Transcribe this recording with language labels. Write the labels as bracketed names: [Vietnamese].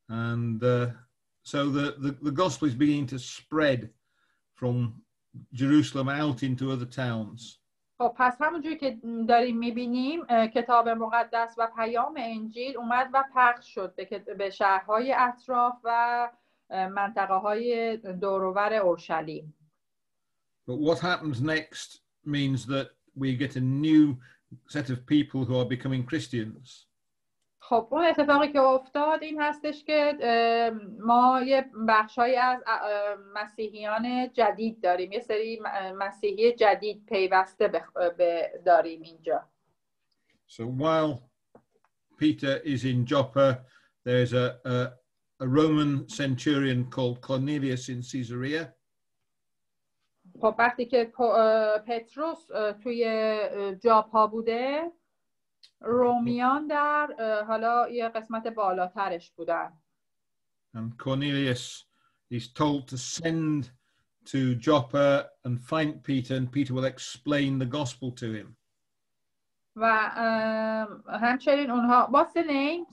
[English] And so the gospel is beginning to spread from Jerusalem out into other towns. [Persian] خب پس همونجوری که داریم میبینیم کتاب مقدس و پیام انجیل اومد و پخش شد به شهرهای اطراف و منطقه های دوروبر اورشلیم. [English] But what happens next means that we get a new set of people who are becoming Christians. [Persian] خب اون اتفاقی که افتاد این هستش که ما یه بخشی از مسیحیان جدید داریم، یه سری مسیحی جدید پیوسته داریم اینجا. [English] So while Peter is in Joppa, there is a Roman centurion called Cornelius in Caesarea. [Persian] خب وقتی که پتروس توی جاپا بوده رومیان در حالا یه قسمت بالاترش بودن. [English] And Cornelius is told to send to Joppa and find Peter, and Peter will explain the gospel to him. [Persian] و همچنین اونها [English] What's the name?